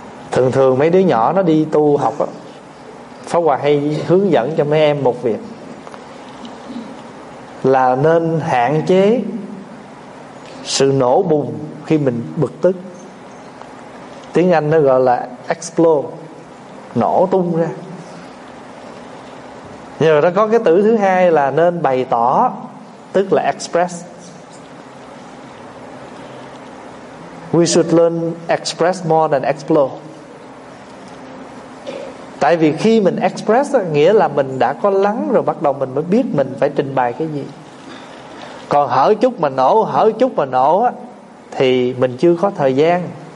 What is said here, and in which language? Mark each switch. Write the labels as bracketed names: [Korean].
[Vietnamese] Thường thường mấy đứa nhỏ nó đi tu học á, pháp hòa hay hướng dẫn cho mấy em một việc là nên hạn chế sự nổ bùng khi mình bực tức. Tiếng Anh nó gọi là explode, nổ tung ra. Giờ nó có cái từ thứ hai là nên bày tỏ, tức là express. [English] We should learn express more than explode. [Vietnamese] Tại vì khi mình express đó, nghĩa là mình đã có lắng rồi, bắt đầu mình mới biết mình phải trình bày cái gì. Còn hở chút mà nổ, hở chút mà nổ á, thì mình chưa có thời gian.